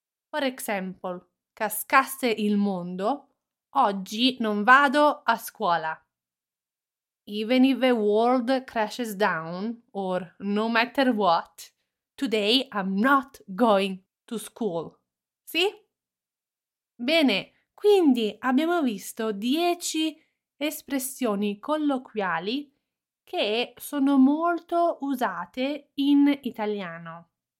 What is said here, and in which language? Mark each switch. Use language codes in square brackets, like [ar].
[en] For example, [it] cascasse il mondo, oggi non vado a scuola. [en] Even if the world crashes down, or no matter what, today I'm not going to school. [it] Sì? Bene, quindi abbiamo visto 10 espressioni colloquiali che sono molto usate in italiano.